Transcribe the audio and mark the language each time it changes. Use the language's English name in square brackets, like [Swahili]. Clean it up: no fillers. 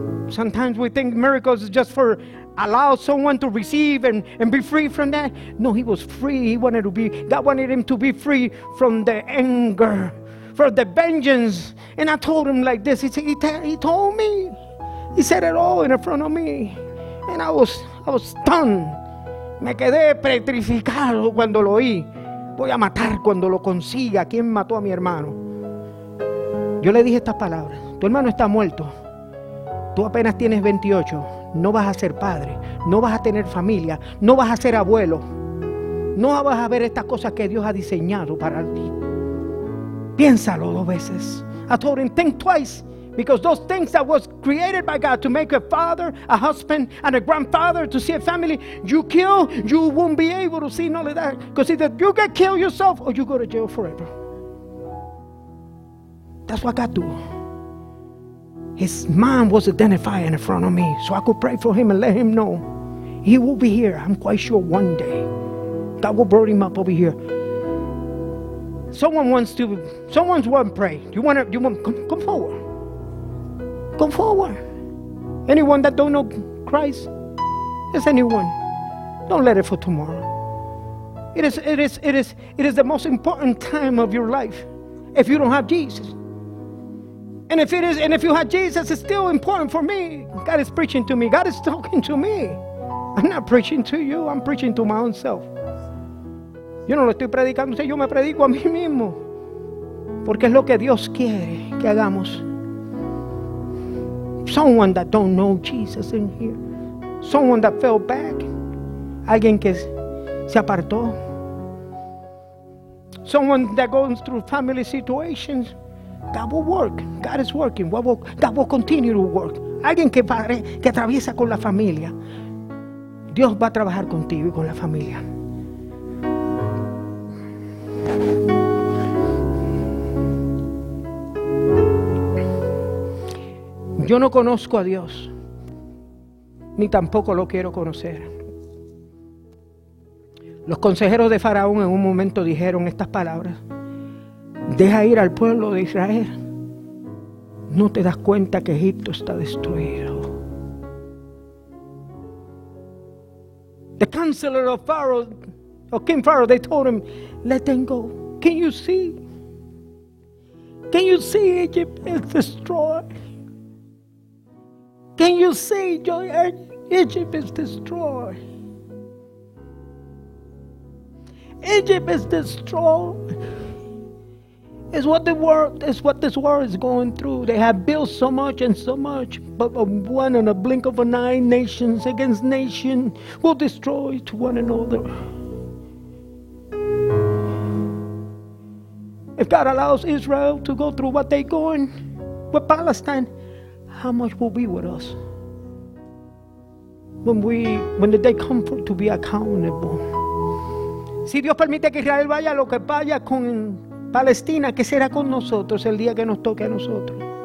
[English] Sometimes we think miracles is just for allow someone to receive and be free from that. No, he was free. He wanted to be, God wanted him to be free from the anger, from the vengeance. And I told him like this. He told me. He said it all in front of me. And I was stunned. [Spanish] Me quedé petrificado cuando lo oí. Voy a matar cuando lo consiga. ¿Quién mató a mi hermano? Yo le dije estas palabras. Tu hermano está muerto. Tú apenas tienes 28. No vas a ser padre. No vas a tener familia. No vas a ser abuelo. No vas a ver estas cosas que Dios ha diseñado para ti. Piénsalo dos veces. [English] I told him, think twice. Because those things that was created by God to make a father, a husband, and a grandfather, to see a family, you kill, you won't be able to see none of that. Because either you get killed yourself or you go to jail forever. That's what God do. His mom was identified in front of me, so I could pray for him and let him know he will be here. I'm quite sure one day God will bring him up over here. Someone wants to pray. Do you want to come forward? Come forward. Anyone that don't know Christ, is anyone? Don't let it for tomorrow. It is the most important time of your life. If you don't have Jesus. And if you had Jesus, it's still important for me. God is preaching to me. God is talking to me. I'm not preaching to you. I'm preaching to my own self. [Spanish] Yo no lo estoy predicando. Yo me predico a mí mismo. Porque es lo que Dios quiere que hagamos. [English] Someone that don't know Jesus in here. Someone that fell back. [Spanish] Alguien que se apartó. [English] Someone that goes through family situations. God will work. God is working. God will continue to work. [Spanish] Alguien que atraviesa con la familia. Dios va a trabajar contigo y con la familia. Yo no conozco a Dios. Ni tampoco lo quiero conocer. Los consejeros de Faraón en un momento dijeron estas palabras. Deja ir al pueblo de Israel. No te das cuenta que Egipto está destruido. [English] The counselor of Pharaoh, or King Pharaoh, they told him, let them go. Can you see? Can you see Egypt is destroyed? Can you see Egypt is destroyed? Egypt is destroyed. It's what this world is going through. They have built so much and so much, but one in a blink of an eye, nations against nation will destroy to one another. If God allows Israel to go through what they're going with Palestine, how much will be with us? When the day comes for to be accountable. [Spanish] Si Dios permite que Israel vaya, lo que vaya con Palestina, ¿qué será con nosotros el día que nos toque a nosotros?